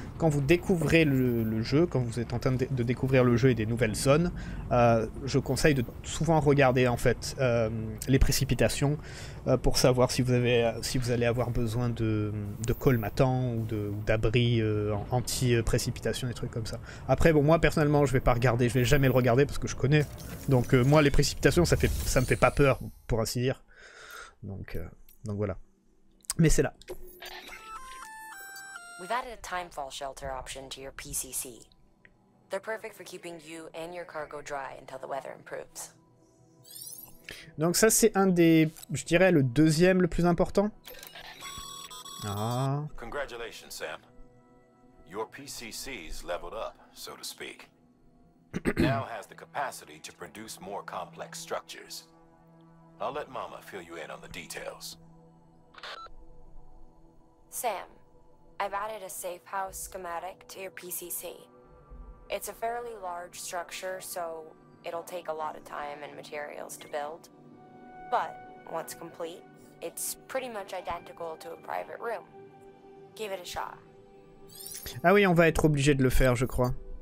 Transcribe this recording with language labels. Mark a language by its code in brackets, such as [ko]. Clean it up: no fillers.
[fr] Quand vous découvrez le jeu, quand vous êtes en train de découvrir le jeu et des nouvelles zones, je conseille de souvent regarder, en fait, les précipitations pour savoir si vous allez avoir besoin de colmatant ou d'abri anti-précipitation, des trucs comme ça. Après, bon, moi, personnellement, je vais pas regarder, je vais jamais le regarder parce que je connais. Donc, moi, les précipitations, ça me fait pas peur, pour ainsi dire. Donc voilà. Mais c'est là. [en] We've added a timefall shelter option to your PCC. They're perfect for keeping you and your cargo dry until the weather improves. [fr] Donc ça c'est un des, je dirais le deuxième le plus important. Ah. [en] Congratulations, Sam. Your PCC's leveled up, so to speak. Now has the capacity to produce more complex structures. I'll let Mama fill you in on the details. Sam, I've added a safe house schematic to your PCC. It's a fairly large structure, so it'll take a lot of time and materials to build. But once complete, it's pretty much identical to a private room. Give it a shot. [fr] Ah oui, on va être obligé de le faire, je crois.